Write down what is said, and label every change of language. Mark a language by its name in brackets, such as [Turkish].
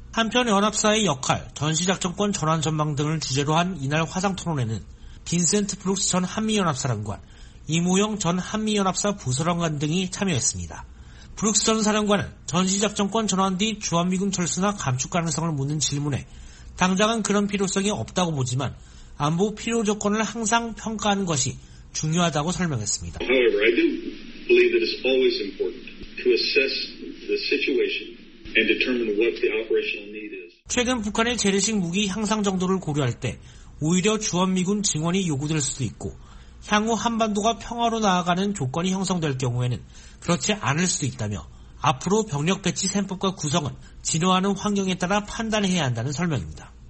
[Korean] 한편 연합사의 역할, 전시작전권 전환 전망 등을 주제로 한 이날 화상토론회는 빈센트 브룩스 전 한미연합사령관, 이모영 전 한미연합사 부사령관 등이 참여했습니다. 브룩스 전 사령관은 전시작전권 전환 뒤 주한미군 철수나 감축 가능성을 묻는 질문에 당장은 그런 필요성이 없다고 보지만 안보 필요 조건을 항상 평가하는 것이 중요하다고 설명했습니다. [English] However, I do believe that it's always important to assess the situation and determine what the operational need is. [Korean] 최근 북한의 재래식 무기 향상 정도를 고려할 때 오히려 주한미군 증원이 요구될 수도 있고 향후 한반도가 평화로 나아가는 조건이 형성될 경우에는 그렇지 않을 수도 있다며 앞으로 병력 배치 셈법과 구성은 진화하는 환경에 따라 판단해야 한다는 설명입니다.